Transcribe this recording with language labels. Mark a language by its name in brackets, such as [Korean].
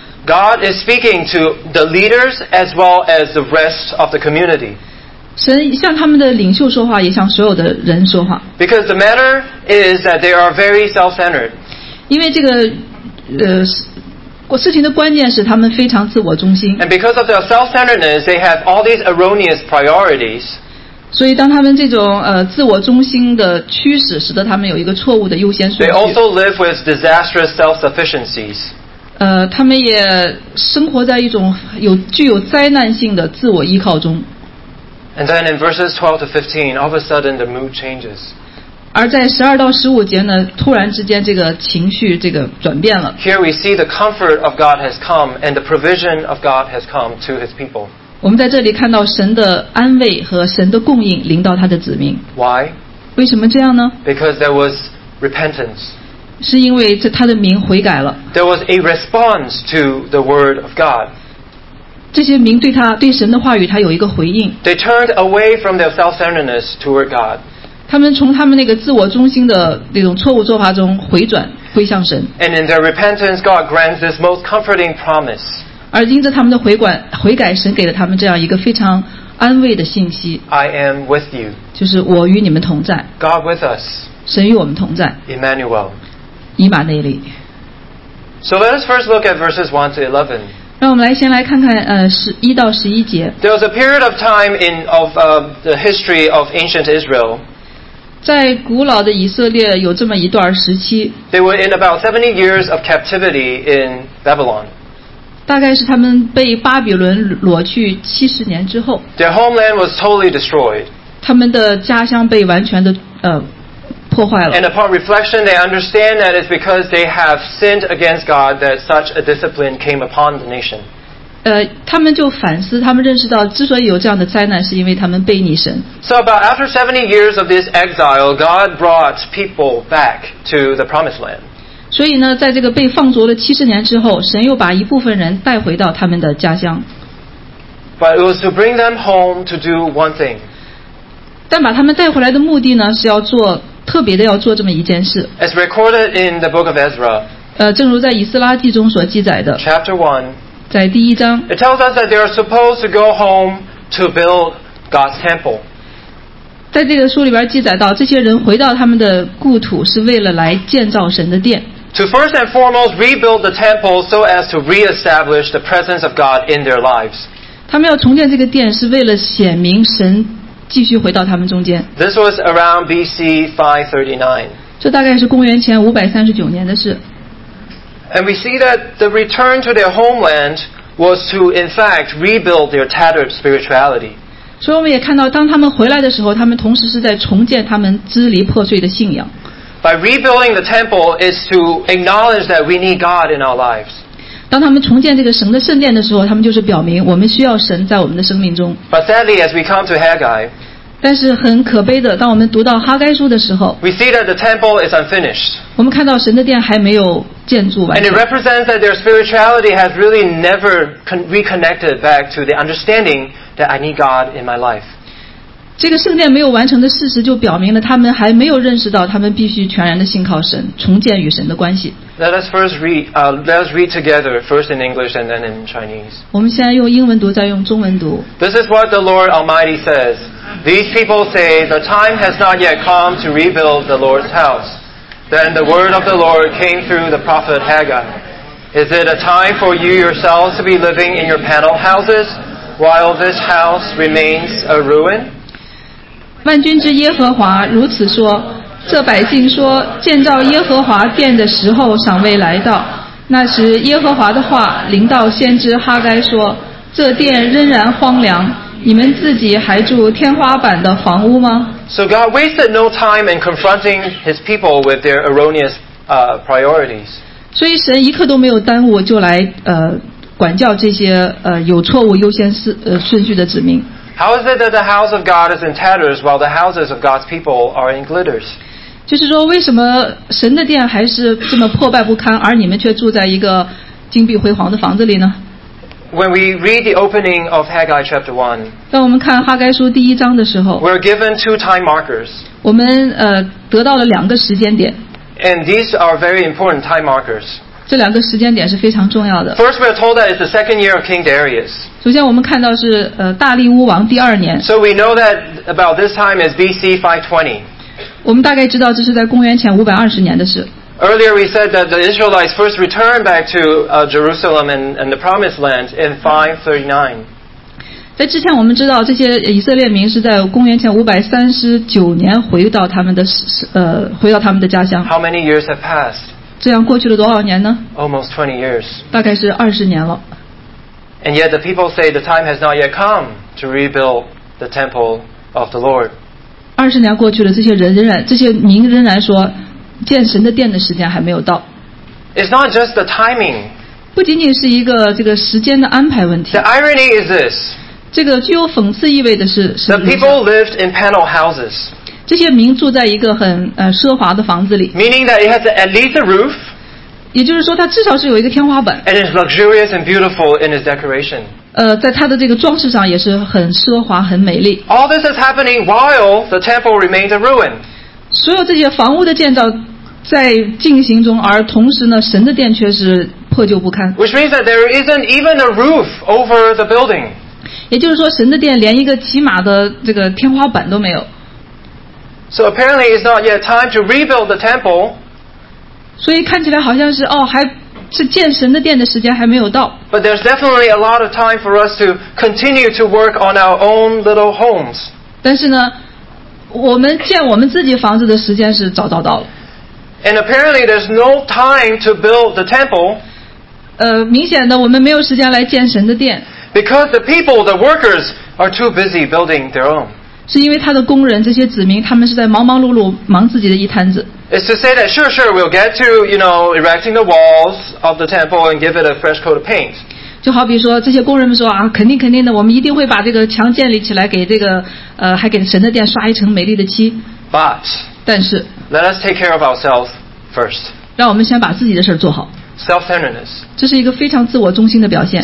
[English] God is speaking to the leaders as well as the rest of the community. [Chinese] 神向他们的领袖说话，也向所有的人说话。 [English] Because the matter is that they are very self-centered. [Chinese] 因为这个事情的关键是他们非常自我中心。 [English] And because of their self-centeredness, they have all these erroneous priorities. [Chinese] 所以当他们这种自我中心的驱使，使得他们有一个错误的优先顺序。 [English] They also live with disastrous self-sufficiencies. [Chinese] 他们也生活在一种具有灾难性的自我依靠中。 [English] And then in verses 12 to 15, all of a sudden the mood changes. [Chinese] 而在十二到十五节呢，突然之间这个情绪这个转变了。 [English] Here we see the comfort of God has come and the provision of God has come to His people. [Chinese] 我们在这里看到神的安慰和神的供应临到他的子民。 [English] Why? [Chinese] 为什么这样呢 [English] ？Because there was repentance. [Chinese] 是因为他的民悔改了。 [English] There was a response to the word of God. [Chinese] 这些民对神的话语他有一个回应。 [English] They turned away from their self-centeredness toward God. [Chinese] 他们从他们那个自我中心的那种错误做法中回转归向神。 [English] And in their repentance, God grants this most comforting promise. [Chinese] 而因着他们的悔改，神给了他们这样一个非常安慰的信息。 [English] I am with you. [Chinese] 就是我与你们同在。 [English] God with us. [Chinese] 神与我们同在。 [English] Emmanuel. [Chinese] 以马内利。 [English] So let us first look at verses 1 to 11. [Chinese] 让我们先来看看11到11节。 [English] There was a period of time in the history of ancient Israel. [Chinese] 在古老的以色列有这么一段时期。 [English] They were in about 70 years of captivity in Babylon. [Chinese] 大概是他们被巴比伦掳去70年之后。 [English] Their homeland was totally destroyed. [Chinese] 他们的家乡被完全的破坏了。 [English] And upon reflection, they understand that it's because they have sinned against God that such a discipline came upon the nation. [Chinese] 他们就反思，他们认识到，之所以有这样的灾难，是因为他们悖逆神。 [English] So about after 70 years of this exile, God brought people back to the promised land. [Chinese] 所以呢，在这个被放逐了70年之后，神又把一部分人带回到他们的家乡。 [English] But it was to bring them home to do one thing. [Chinese] 但把他们带回来的目的呢，是要做特别的，要做这么一件事。 [English] As recorded in the book of Ezra. [Chinese] 正如在以斯拉记中所记载的。 [English] Chapter 1. [Chinese] 在第一章 [English] It tells us that they are supposed to go home to build God's temple. [Chinese] 在这个书里边记载到，这些人回到他们的故土是为了来建造神的殿。 [English] To first and foremost rebuild the temple so as to reestablish the presence of God in their lives. [Chinese] 他们要重建这个殿是为了显明神继续回到他们中间。 [English] This was around B.C. 539. [Chinese] 这大概是公元前539年的事。 [English] And we see that the return to their homeland was to, in fact, rebuild their tattered spirituality. [Chinese] 所以我们也看到，当他们回来的时候，他们同时是在重建他们支离破碎的信仰。 [English] By rebuilding the temple is to acknowledge that we need God in our lives. [Chinese] 当他们重建这个神的圣殿的时候，他们就是表明我们需要神在我们的生命中。 [English] But sadly, as we come to Haggai, [Chinese] 但是很可悲的，当我们读到哈该书的时候， [English] we see that the temple is unfinished. [Chinese] 我们看到神的殿还没有。 [English] And it represents that their spirituality has really never reconnected back to the understanding that I need God in my life. [Chinese] 这个圣殿没有完成的事实就表明了他们还没有认识到他们必须全然的信靠神，重建与神的关系。 [English] Let us first read. Let us read together first in English and then in Chinese. [Chinese] 我们现在用英文读，再用中文读。 [English] This is what the Lord Almighty says. These people say the time has not yet come to rebuild the Lord's house. Then the word of the Lord came through the prophet Haggai. Is it a time for you yourselves to be living in your panel houses while this house remains a ruin? [Chinese] 万军之耶和华如此说，这百姓说，建造耶和华殿的时候尚未来到。那时耶和华的话临到先知哈该说，这殿仍然荒凉，你们自己还住天花板的房屋吗？ [English] So God wasted no time in confronting his people with their erroneous priorities. [Chinese] 所以神一刻都没有耽误就来管教这些有错误优先顺序的子民。 [English] How is it that the house of God is in tatters while the houses of God's people are in glitters? [Chinese] 就是说为什么神的殿还是这么破败不堪，而你们却住在一个金碧辉煌的房子里呢？ [English] When we read the opening of Haggai chapter 1, [Chinese] 当我们看哈该书第一章的时候， [English] we're given two time markers. [Chinese] 我们得到了两个时间点。 [English] And these are very important time markers. [Chinese] 这两个时间点是非常重要的。 [English] First, we're told that it's the second year of King Darius. [Chinese] 首先我们看到是大力乌王第二年。 [English] So we know that about this time is BC 520. [Chinese] 我们大概知道这是在公元前520年的事。 [English] Earlier, we said that the Israelites first returned back to Jerusalem and the Promised Land in 539. [Chinese] 在之前我们知道这些以色列民是在公元前539年回到他们的家乡。 [English] How many years have passed? [Chinese] 这样过去了多少年呢？ [English] Almost 20 years. [Chinese] 大概是20年了。 [English] And yet the people say the time has not yet come to rebuild the temple of the Lord. [Chinese] 20年过去了，这些民仍然说建神的殿的时间还没有到。 [English] It's not just the timing. [Chinese] 不仅仅是一个这个时间的安排问题。 [English] The irony is this. [Chinese] 这个具有讽刺意味的是 [English] The people lived in panel houses. [Chinese] 这些民住在一个很奢华的房子里， [English] meaning that it has at least a roof, [Chinese] 也就是说它至少是有一个天花板， [English] and it's luxurious and beautiful in its decoration. [Chinese] 在它的这个装饰上也是很奢华很美丽。 [English] All this is happening while the temple remains a ruin. [Chinese] 所有这些房屋的建造在进行中，而同时呢，神的殿却是破旧不堪。 [English] Which means that there isn't even a roof over the building. [Chinese] 也就是说神的殿连一个起码的这个天花板都没有。 [English] So apparently it's not yet time to rebuild the temple. [Chinese] 所以看起来好像是还是建神的殿的时间还没有到。 [English] But there's definitely a lot of time for us to continue to work on our own little homes. [Chinese] 但是呢，我们建我们自己房子的时间是早早到了。 [English] And apparently there's no time to build the temple. [Chinese] 明显的我们没有时间来建神的殿。 [English] Because the people, the workers, are too busy building their own. [Chinese] 是因为他的工人这些子民他们是在忙忙碌碌忙自己的一摊子。 [English] It's to say that sure we'll get to erecting the walls of the temple and give it a fresh coat of paint. [Chinese] 就好比说这些工人们说肯定的我们一定会把这个墙建立起来，给这个还给神的殿刷一层美丽的漆。 [English] But [Chinese] 但是 [English] Let us take care of ourselves first. [Chinese] 让我们先把自己的事做好。 [English] Self-centeredness [Chinese] 这是一个非常自我中心的表现。